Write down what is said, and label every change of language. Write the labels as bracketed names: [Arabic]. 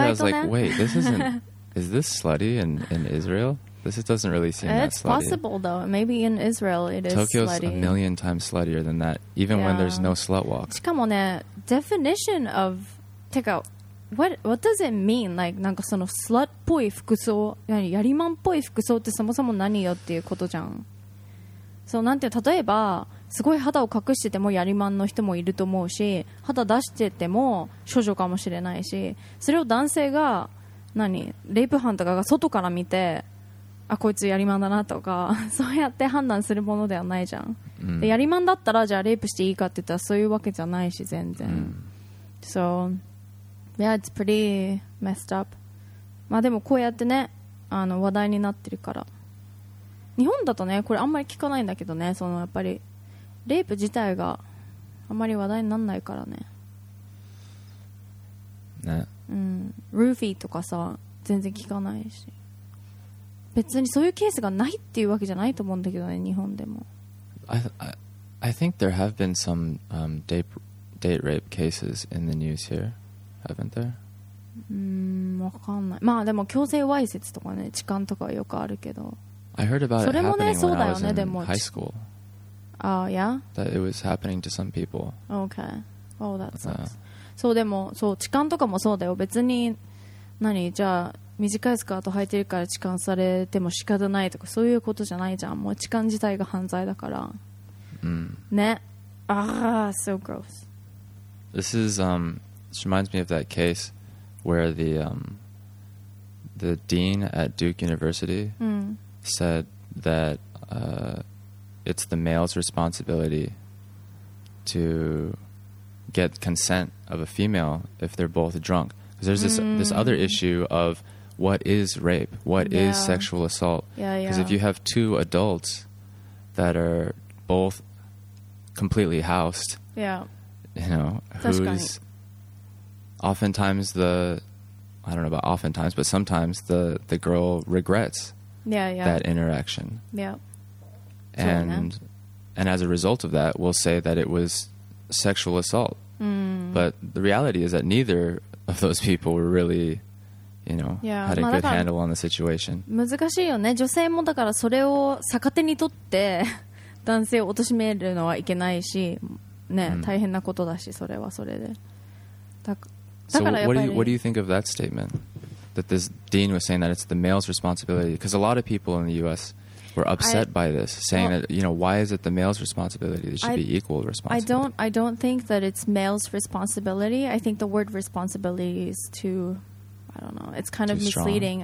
[English] I was like, wait, this isn't is this slutty in Israel? This doesn't really seem that It's possible though. Maybe in Israel it is Tokyo's slutty. Tokyo's a million times sluttier than that, even when there's no slut walk. [Japanese] しかもね、 [English] definition of, てか, what does it mean? [Japanese] Like, なんかそのスラッっぽい服装、やりまんっぽい服装ってそもそも何よっていうことじゃん。そう、なんて、例えば、すごい肌を隠しててもやりまんの人もいると思うし、肌出してても処女かもしれないし、それを男性が、何、レイプ犯とかが外から見て、あこいつやりまんだなとかそうやって判断するものではないじゃん、 mm. でやりまんだったらじゃあレイプしていいかって言ったらそういうわけじゃないし全然、 mm. [English] So yeah, it's pretty messed up. [Japanese] まあでもこうやってね、あの話題になってるから、日本だとねこれあんまり聞かないんだけどね、そのやっぱりレイプ自体があんまり話題にならないからね、ね、うん、ルーフィーとかさ全然聞かないし、別にそういうケースがないっていうわけじゃないと思うんだけどね、日本でも。 [English] I think there have been some date rape cases in the news here, haven't there? [Japanese] わかんない。まあでも強制わいせつとかね、痴漢とかよくあるけど。 [English] I heard about it happening when I was in high school. Oh, yeah? That it was happening to some people. Okay. Oh, that sucks. [Japanese] そうでも、そう、痴漢とかもそうだよ。別に、何、じゃあ、短いスカート履いてるから痴漢されても仕方ないとかそういうことじゃないじゃん、もう痴漢自体が犯罪だから、 mm. ね、ああ、 [English] so gross. This is this reminds me of that case where the dean at Duke University、 mm. said that it's the male's responsibility to get consent of a female if they're both drunk, because there's this、mm. this other issue ofWhat is rape? What、 yeah. is sexual assault? Yeah, yeah. Because if you have two adults that are both completely housed, yeah, you know, who's oftentimes the, I don't know about oftentimes, but sometimes the girl regrets yeah, yeah. that interaction. Yeah. And as a result of that, we'll say that it was sexual assault. Mm. But the reality is that neither of those people were really... You know, yeah, had a good handle on the situation. [Japanese] 難しいよね。女性もだからそれを逆手にとって男性を貶めるのはいけないし、ね、大変なことだし、それはそれで。だからやっぱり。 [English] So what do you think of that statement? That this dean was saying that it's the male's responsibility? Because a lot of people in the U.S. were upset by this, saying that, you know, why is it the male's responsibility? It should be equal responsibility. I don't think that it's male's responsibility. I think the word responsibility is too, I don't know, it's kind of misleading.